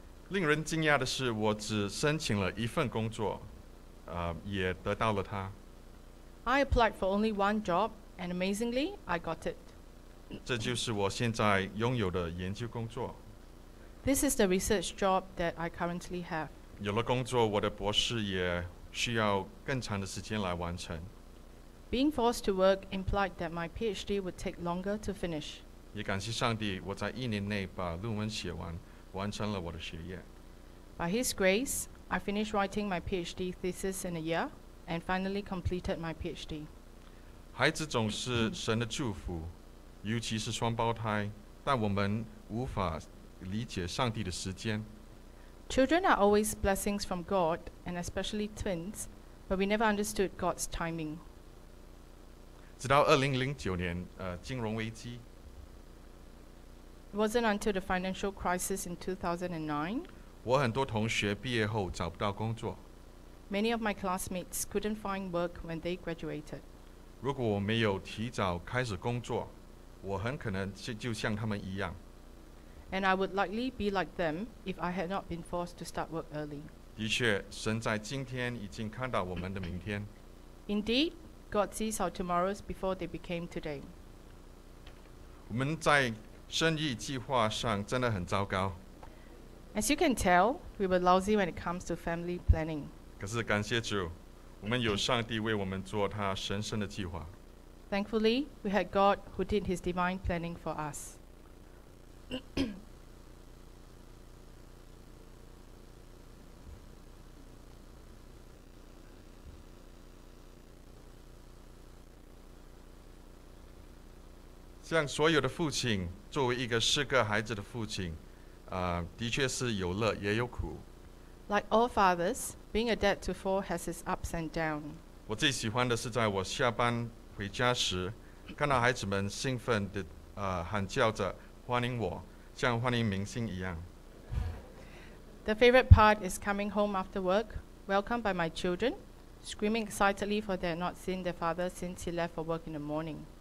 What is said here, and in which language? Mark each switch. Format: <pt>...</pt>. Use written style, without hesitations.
<zh>令人惊讶的是，我只申请了一份工作。也得到了他。</zh> <en>I applied for only one job, and amazingly, I got it.</en> <zh>这就是我现在拥有的研究工作。</zh> <en>This is the research job that I currently have.</en> <zh>有了工作，我的博士也需要更长的时间来完成。</zh> <en>Being forced to work implied that my PhD would take longer to finish.</en> <zh>也感谢上帝，我在一年内把论文写完，完成了我的学业。</zh> <en>By His grace,I finished writing my PhD thesis in a year and finally completed my PhD.</en> <zh>孩子总是神的祝福，尤其是双胞胎，但我们无法理解上帝的时间。</zh> <en>Children are always blessings from God, and especially twins, but we never understood God's timing.</en> <zh>直到2009年，金融危机。</zh> <en>It wasn't until the financial crisis in 2009.</en> <zh>我很多同学毕业后找不到工作。</zh> <en>Many of my classmates couldn't find work when they graduated.</en> <zh>如果我没有提早开始工作，我很可能就像他们一样。</zh> <en>And I would likely be like them if I had not been forced to start work early.</en> <zh>的确，神在今天已经看到我们的明天。</zh> <en>Indeed, God sees our tomorrows before they became today.</en> <zh>我们在生意计划上真的很糟糕。</zh> <en>As you can tell, we were lousy when it comes to family planning.</en> <zh>可是感谢主，我们有上帝为我们做他神圣的计划。</zh> <en>Thankfully, we had God who did his divine planning for us.</en> <zh>像所有的父亲，作为一个四个孩子的父亲，的确是有乐也有苦。</zh> <en>Like all fathers, being a dad to four has its ups and downs.</en> <zh>我最喜欢的是在我下班回家时，看到孩子们兴奋地喊叫着欢迎我，像欢迎明星一样。</zh> <en>The favorite part is coming home after work, welcomed by my children, screaming excitedly for they had not seen their father since he left for work in the morning.</en>